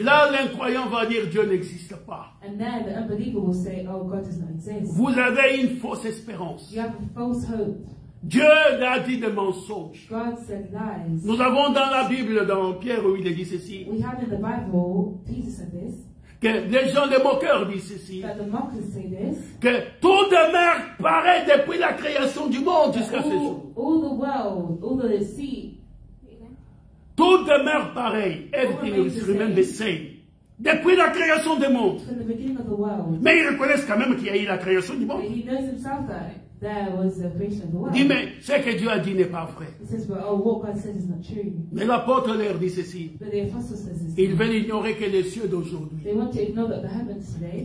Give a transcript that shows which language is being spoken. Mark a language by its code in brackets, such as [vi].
[fr] Et là, l'incroyant va dire Dieu n'existe pas. [en] And then the unbeliever will say, oh, God does not exist. [fr] Vous avez une fausse espérance. [en] You have a false hope. [fr] Dieu a dit des mensonges. [en] God said lies. [fr] Nous avons dans la Bible, dans Pierre, où il dit ceci. [en] We have in the Bible, Jesus said this. [fr] Que les gens des moqueurs disent ceci. [en] That the mockers say this. [fr] Que tout demeure pareil depuis la création du monde jusqu'à ce jour. [en] All the world, all the sea. [fr] Tout demeure pareil. [en] Everything is remain the same. [fr] Depuis la création du monde. [en] From the beginning of the world. [fr] Mais ils reconnaissent quand même qu'il y a eu la création du monde. [en] But he knows himself that. There was a creation of the world. [fr] Dis, mais ce que Dieu a dit n'est pas vrai. [en] It says, but, oh, what God says is not true. [fr] Mais l'apôtre leur dit ceci. [en] But the apostle says this. [fr] Ils veulent ignorer que les cieux d'aujourd'hui. [en] They want to ignore that the heavens today.